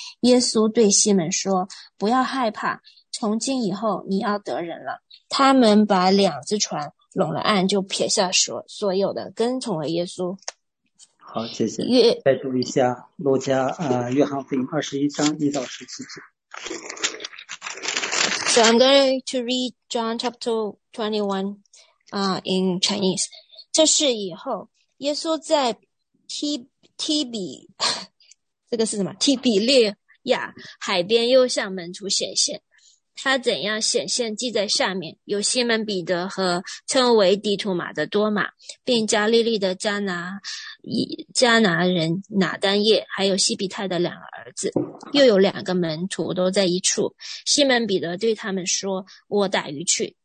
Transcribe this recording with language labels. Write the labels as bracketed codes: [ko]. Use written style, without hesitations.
[zh] 耶稣对西门说，不要害怕，从今以后你要得人了。他们把两只船拢了岸，就撇下所有的跟从了耶稣。好，谢谢。再读一下路加约翰福音二十一章一到十七节。 [en] So I'm going to read John chapter 21 in Chinese. [zh] 这事以后，耶稣在提比利亚海边又向门徒显现。他怎样显现记在下面，有西门彼得和称为地图马的多马，并加利利的加拿人拿丹叶，还有西比泰的两个儿子，又有两个门徒都在一处。西门彼得对他们说，我打鱼去。